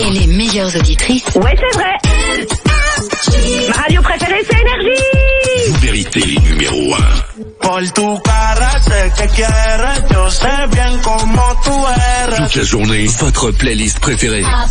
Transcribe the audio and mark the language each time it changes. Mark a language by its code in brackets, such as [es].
[fr] Et les meilleures auditrices. Ouais, c'est vrai. Ma radio préférée, c'est Énergie. Vérité numéro 1. [es] Por tu cara, sé que quieres. Yo sé bien cómo tú eres. [fr] Toute la journée, votre playlist préférée.